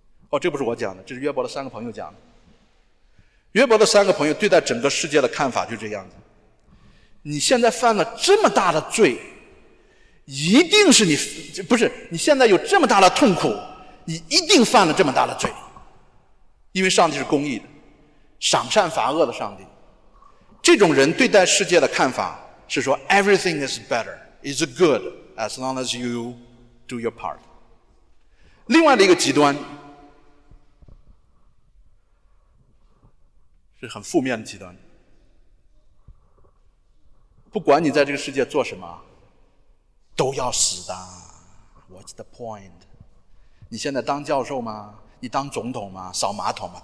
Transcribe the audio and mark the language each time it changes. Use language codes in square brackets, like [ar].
[zh] 哦，这不是我讲的，这是约伯的三个朋友讲的。约伯的三个朋友对待整个世界的看法就这样子：你现在犯了这么大的罪，一定是你，不是，你现在有这么大的痛苦，你一定犯了这么大的罪。因为上帝是公义的，赏善罚恶的上帝。这种人对待世界的看法是说 [en] everything is better, is good as long as you do your part。 [zh] 另外的一个极端是很负面的极端，不管你在这个世界做什么都要死的。 [en] What's the point? [zh] 你现在当教授吗？你当总统吗？扫马桶吗？